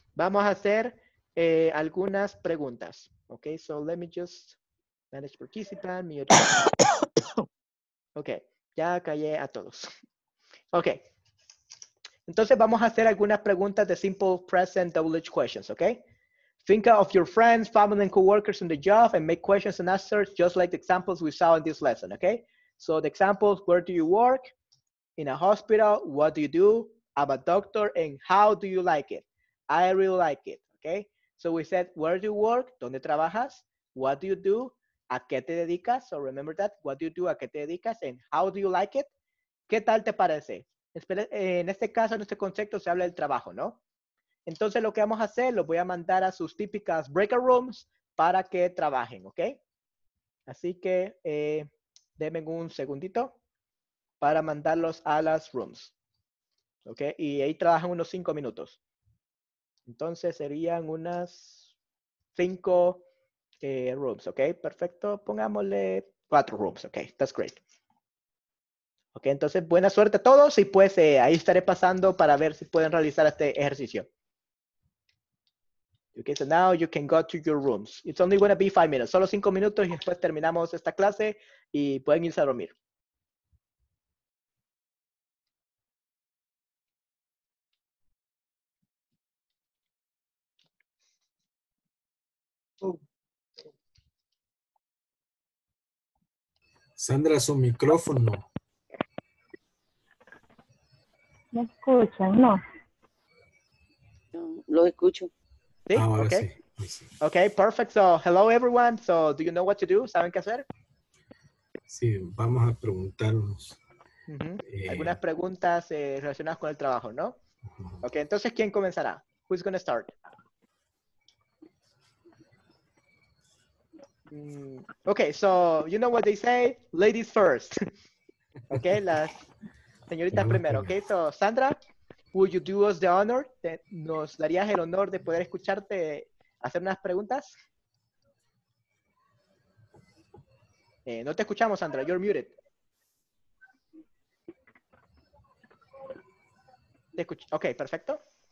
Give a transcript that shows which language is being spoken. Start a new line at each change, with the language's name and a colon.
Spanish: Vamos a hacer algunas preguntas.
English: Ok, so let me just manage participant, mute.
Spanish: Ok, ya callé a todos. Ok. Entonces, vamos a hacer algunas preguntas de simple present WH questions, ¿ok?
English: Think of your friends, family, and coworkers in the job and make questions and answers just like the examples we saw in this lesson, ¿ok? So, the examples, where do you work? In a hospital, what do you do? I'm a doctor, and how do you like it? I really like it, ¿ok? So, we said, where do you work?
Spanish: ¿Dónde trabajas?
English: What do you do?
Spanish: ¿A qué te dedicas?
English: So, remember that. What do you do?
Spanish: ¿A qué te dedicas?
English: And how do you like it?
Spanish: ¿Qué tal te parece? En este caso, en este concepto, se habla del trabajo, ¿no? Entonces, lo que vamos a hacer, lo voy a mandar a sus típicas breakout rooms para que trabajen, ¿ok? Así que, denme un segundito para mandarlos a las rooms, ¿ok? Y ahí trabajan unos 5 minutos. Entonces, serían unas 5 rooms, ¿ok? Perfecto. Pongámosle 4 rooms, ¿ok?
English: That's great.
Spanish: Ok, entonces buena suerte a todos y pues ahí estaré pasando para ver si pueden realizar este ejercicio.
English: Ok, so now you can go to your rooms. It's only going to be 5 minutes.
Spanish: Solo 5 minutos y después terminamos esta clase y pueden irse a dormir. Oh. Sandra, su micrófono. ¿Me escuchan? No. Lo escucho. ¿Sí? Ahora okay. Sí.
English: Okay, perfect. So, hello everyone. So, do you know what to do?
Spanish: ¿Saben qué hacer? Sí, vamos a preguntarnos. Uh-huh. Algunas preguntas relacionadas con el trabajo, ¿no? Uh-huh. Okay, entonces, ¿quién comenzará?
English: Who's going to start? Okay, so you know what they say, ladies first. Okay,
Spanish: las señoritas primero.
English: Okay, so Sandra, would you do us the honor?
Spanish: ¿Nos darías el honor de poder escucharte hacer unas preguntas? No te escuchamos, Sandra,
English: you're muted.
Spanish: Okay, perfecto.